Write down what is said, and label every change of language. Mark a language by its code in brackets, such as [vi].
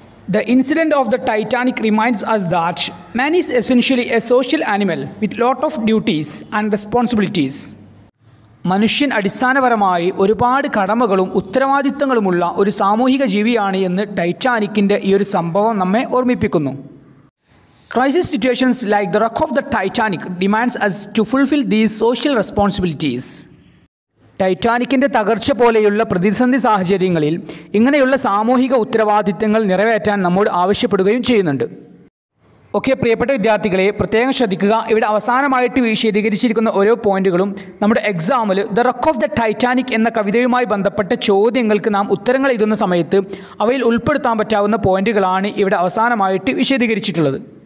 [en] The incident of the Titanic reminds us that man is essentially a social animal with lot of duties and responsibilities. [ml] മനുഷ്യൻ അടിസ്ഥാനപരമായി ഒരുപാട് കടമകളും ഉത്തരവാദിത്തങ്ങളുമുള്ള ഒരു സാമൂഹിക ജീവിയാണ് എന്ന് ടൈറ്റാനിക്കിൻ്റെ ഈ ഒരു സംഭവം നമ്മെ ഓർമ്മിപ്പിക്കുന്നു. [en] Crisis situations like the wreck of the Titanic demands us to fulfill these social responsibilities. [ml] ടൈറ്റാനിക്കിൻ്റെ തകർച്ച പോലെയുള്ള പ്രതിസന്ധി സാഹചര്യങ്ങളിൽ ഇങ്ങനെയുള്ള സാമൂഹിക ഉത്തരവാദിത്തങ്ങൾ നിറവേറ്റാൻ നമ്മോട് ആവശ്യപ്പെടുകയും ചെയ്യുന്നുണ്ട്. ഓക്കെ, പ്രിയപ്പെട്ട വിദ്യാർത്ഥികളെ, പ്രത്യേകം ശ്രദ്ധിക്കുക. ഇവിടെ അവസാനമായിട്ട് വിശദീകരിച്ചിരിക്കുന്ന ഓരോ പോയിന്റുകളും നമ്മുടെ എക്സാമിൽ ദ റക്ക് ഓഫ് ദ ടൈറ്റാനിക് എന്ന കവിതയുമായി ബന്ധപ്പെട്ട ചോദ്യങ്ങൾക്ക് നാം ഉത്തരങ്ങൾ എഴുതുന്ന സമയത്ത് അവയിൽ ഉൾപ്പെടുത്താൻ പറ്റാവുന്ന പോയിന്റുകളാണ് ഇവിടെ അവസാനമായിട്ട് വിശദീകരിച്ചിട്ടുള്ളത്.